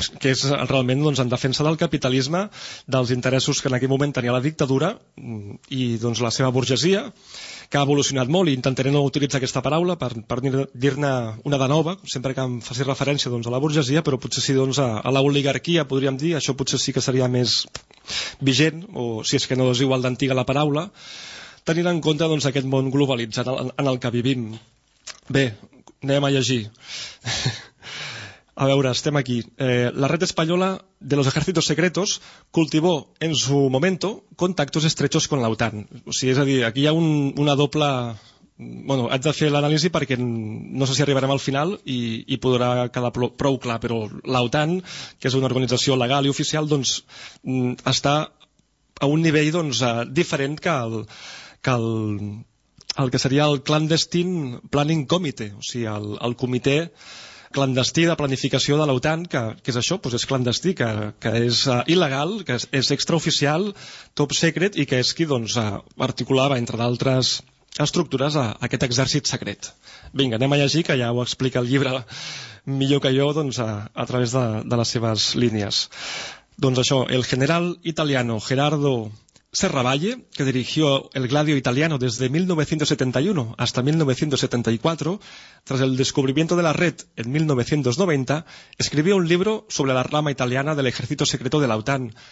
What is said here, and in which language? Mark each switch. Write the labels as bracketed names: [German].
[Catalan] és realment doncs, en defensa del capitalisme, dels interessos que en aquell moment tenia la dictadura i doncs, la seva burgesia, que ha evolucionat molt, i intentaré no utilitzar aquesta paraula per dir-ne una de nova, sempre que em faci referència doncs, a la burgesia, però potser sí doncs, a l'oligarquia, podríem dir, això potser sí que seria més vigent, o si és que no és igual d'antiga la paraula, tenint en compte doncs, aquest món globalitzat en el que vivim. Bé, anem a llegir. A veure, estem aquí. [Spanish] La red española de los ejércitos secretos cultivó en su momento contactos estrechos con la OTAN. [Catalan] O sigui, és a dir, aquí hi ha una doble... Bueno, haig de fer l'anàlisi perquè no sé si arribarem al final i podrà quedar prou clar, però la OTAN, que és una organització legal i oficial, doncs està a un nivell doncs, diferent que el que seria el Clandestine Planning Committee, o sigui, el comitè clandestí de planificació de l'OTAN, que és això, doncs és clandestí, que és il·legal, que és extraoficial, top secret, i que és qui doncs, articulava, entre d'altres estructures, aquest exèrcit secret. Vinga, anem a llegir, que ja ho explica el llibre millor que jo, doncs, a través de les seves línies. Doncs això, [Spanish] el general italiano Gerardo Serravalle, que dirigió el Gladio Italiano desde 1971 hasta 1974, tras el descubrimiento de la red en 1990, escribió un libro sobre la rama italiana del ejército secreto de la OTAN.